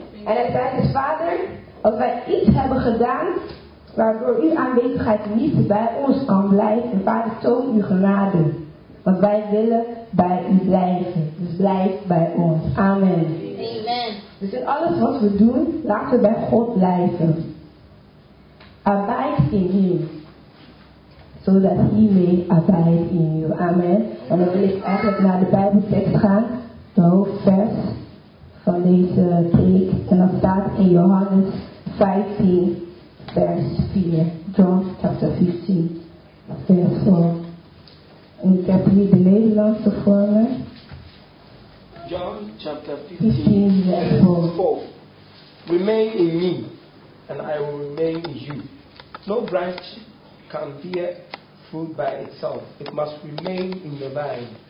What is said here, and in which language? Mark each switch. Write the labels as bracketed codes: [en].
[nl] En hij zei dus, Vader, als wij iets hebben gedaan waardoor uw aanwezigheid niet bij ons kan blijven, Vader, toon uw genade. Want wij willen bij u blijven. Dus blijf bij ons. Amen. Amen. Dus in alles wat we doen, laten we bij God blijven. [en] Abide in him. [nl] Zodat [en] he may abide in you. [nl] Amen. En dan wil ik eigenlijk naar de Bijbeltekst gaan. De hoofdvers van deze preek. En dat staat in Johannes 15, vers 4. [en] John chapter 15, [nl] vers 4. En ik heb hier de Nederlandse vormen. [en] John chapter 15 verse 4. Remain in me, and I will remain in you. No branch can bear fruit by itself. It must remain in the vine.